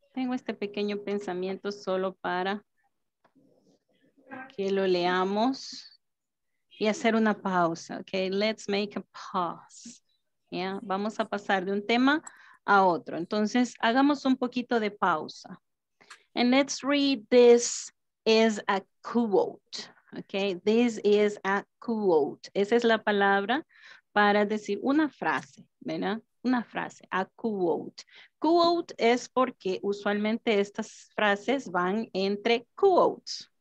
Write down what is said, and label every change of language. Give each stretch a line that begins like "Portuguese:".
Spanish: Tengo este pequeño pensamiento solo para que lo leamos y hacer una pausa, okay?
English: Let's make a pause.
Spanish: Yeah, vamos a pasar de un tema a otro. Entonces, hagamos un poquito de pausa.
English: And let's read this is a quote, okay? This is a quote.
Spanish: Esa es la palabra para decir una frase, ¿verdad? Una frase, a quote. Quote es porque usualmente estas frases van entre quotes.